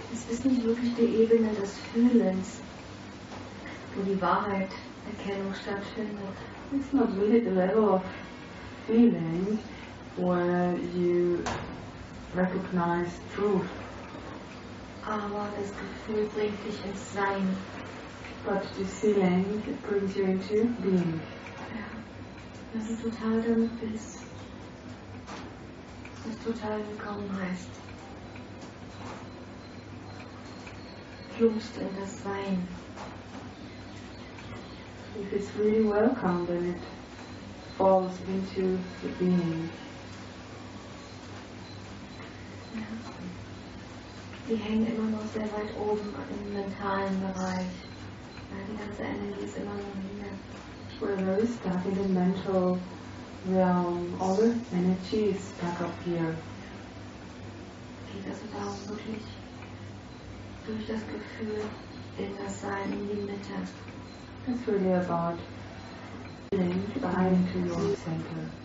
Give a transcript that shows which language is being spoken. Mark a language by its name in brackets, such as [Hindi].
[German] ist nicht wirklich die Ebene des Fühlens, wo die Wahrheit-Erkennung stattfindet. [English] It's not really the level of feeling where you recognize truth. [German] Aber das Gefühl bringt dich ins Sein. [English] But the feeling brings you into being. [German] Ja. Dass du total damit bist. Dass du total willkommen heißt. Plumpst in das Sein. [English] If it's really welcome, then it falls into the being. [German] Die hängen immer noch sehr weit oben im mentalen Bereich. Ja, die ganze Energie ist immer noch hier. [English] Where there is stuck in the mental realm, all the energy is stuck up here. [German] Geht also darum, wirklich durch das Gefühl in das Sein, in die Mitte. [English] It's really about feeling behind into your center.